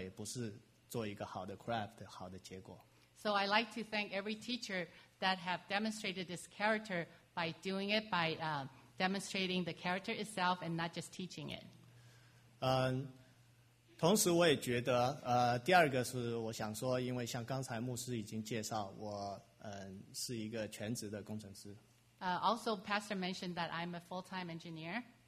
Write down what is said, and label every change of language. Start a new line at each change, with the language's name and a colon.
Chinese: 所以我要感谢每一位老师，你们也都教导我，我们如果需要教导小朋友更好的品格的时候，是靠我们的好行为，不是做一个好的craft，好的结果。
English: So I like to thank every teacher that have demonstrated this character by doing it by demonstrating the character itself and not just teaching it.
Chinese: 同时我也觉得，第二个是我想说，因为像刚才牧师已经介绍，我是一个全职的工程师。
English: Also, Pastor mentioned that I'm a full-time engineer.